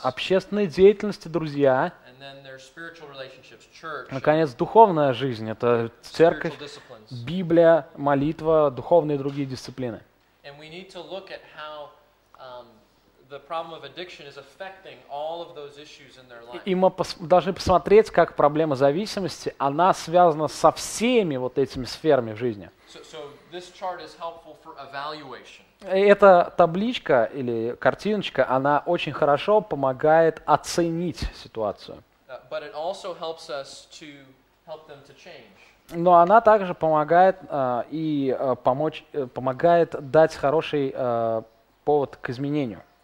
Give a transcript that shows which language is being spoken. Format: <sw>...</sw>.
<ru>общественные деятельности, друзья,</ru> <en>and then their spiritual relationships, church,</en> <ru>наконец, духовная жизнь, это церковь, Библия, молитва, духовные и другие дисциплины.</ru> <en>And we need to look at how the problem of addiction is affecting all of those issues in their life.</en> <ru>И мы должны посмотреть, как проблема зависимости, она связана со всеми вот этими сферами в жизни.</ru> <en>So this chart is helpful for evaluation.</en> <ru>Эта табличка или картиночка, она очень хорошо помогает оценить ситуацию.</ru> <en>But it also helps us to help them to change.</en> <ru>Но она также помогает помогает дать хороший повод к изменению.</ru>